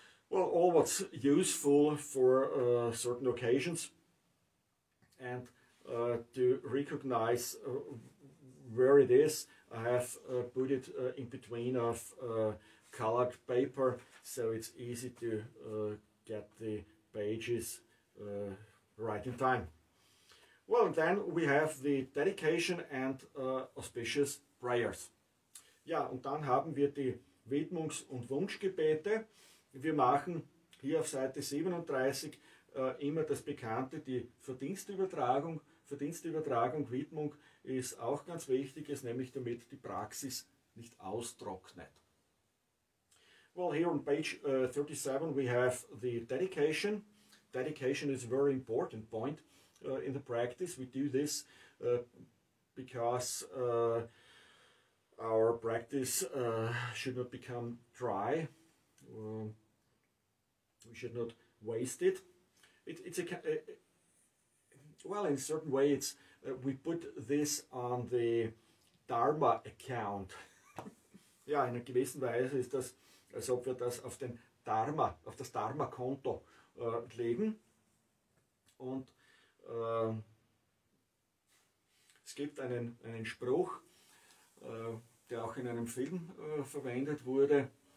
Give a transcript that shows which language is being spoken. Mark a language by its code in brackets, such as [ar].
[en] well, all what's useful for certain occasions, and to recognize where it is, I have put it in between of colored paper, so it's easy to get the pages right in time. Well, and then we have the dedication and auspicious prayers. [de] Ja, und dann haben wir die Widmungs- und Wunschgebete. Wir machen hier auf Seite 37 immer das Bekannte, die Verdienstübertragung. Verdienstübertragung, Widmung ist auch ganz wichtig, ist nämlich damit die Praxis nicht austrocknet. [en] Well, here on page 37 we have the dedication. Dedication is a very important point in the practice. We do this because our practice should not become dry. We should not waste it. In a certain way, it's we put this on the Dharma account. [de] Ja, in einer gewissen Weise ist das, als ob wir das auf den Dharma, auf das Dharma-Konto legen. Und es gibt einen Spruch, der auch in einem Film verwendet wurde.